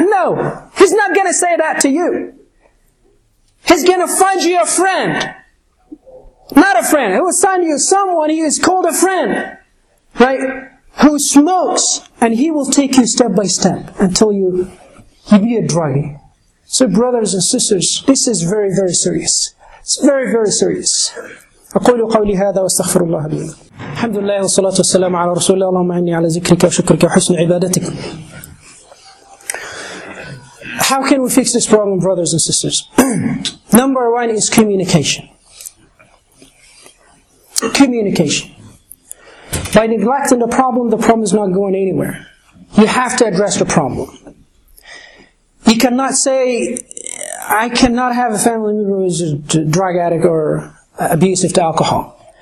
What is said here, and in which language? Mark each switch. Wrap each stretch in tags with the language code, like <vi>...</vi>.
<en>No, he's not going to say that to you. He's going to find you a friend. Not a friend. He will send you someone he is called a friend. Right? Who smokes. And he will take you step by step until you be a druggie. So brothers and sisters, this is very, very serious. It's very, very serious.</en> <ar>أقول قولي هذا واستغفر الله لي. الحمد لله والصلاة والسلام على رسول الله اللهم أني على ذكرك وشكرك وحسن عبادتك.</ar> <en>How can we fix this problem, brothers and sisters? Number one is communication. Communication. By neglecting the problem is not going anywhere. You have to address the problem. You cannot say, I cannot have a family member who is a drug addict or abusive to alcohol.</en>